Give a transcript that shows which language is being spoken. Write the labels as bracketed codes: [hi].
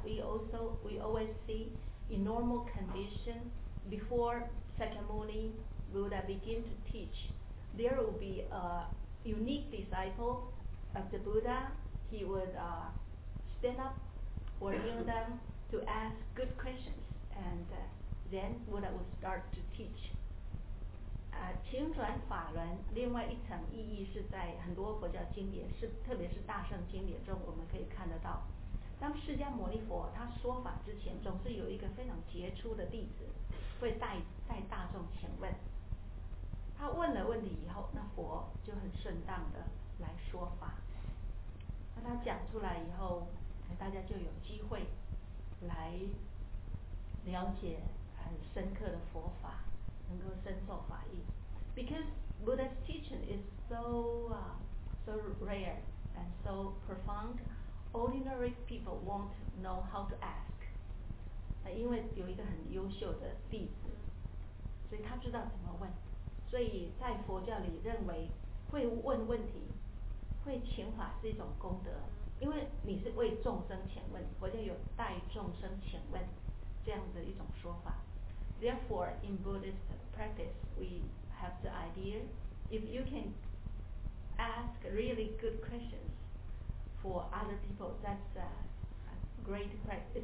[en] We always see in normal condition before Sakyamuni Buddha begin to teach, there will be a unique disciple of the Buddha. He would stand up or kneel down to ask good questions, and then Buddha would start to teach. [zh] 情转法轮，另外一层意义是在很多佛教经典，是特别是大圣经典中，我们可以看得到，当释迦牟尼佛他说法之前，总是有一个非常杰出的弟子会带大众前问。他问了问题以后，那佛就很顺当的来说法。那他讲出来以后，大家就有机会来了解很深刻的佛法，能够深受法益。 [en] Because Buddha's teaching is so rare and so profound, ordinary people won't know how to ask. [zh] 因为有一个很优秀的弟子，所以他知道怎么问。所以在佛教里认为会问问题会请法是一种功德，因为你是为众生请问，佛教有代众生请问这样的一种说法。 [en] Therefore in Buddhist practice we have the idea if you can ask really good questions for other people, that's a great practice.